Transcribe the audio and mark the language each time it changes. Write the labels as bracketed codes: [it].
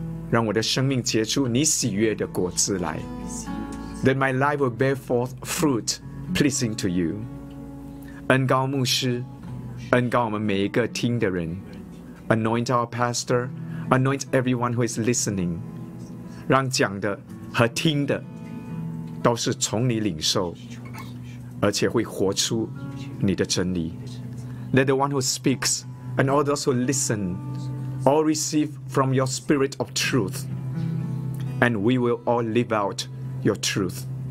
[zh] 让我的生命结出你喜悦的果子来。 [en] That my life will bear forth fruit pleasing to you. [zh] 恩膏牧师，恩膏我们每一个听的人。 [en] Anoint our pastor. Anoint everyone who is listening. [zh] 让讲的和听的都是从你领受，而且会活出你的真理。 [en] Let the one who speaks and all those who listen all receive from your spirit of truth, and we will all live out your truth.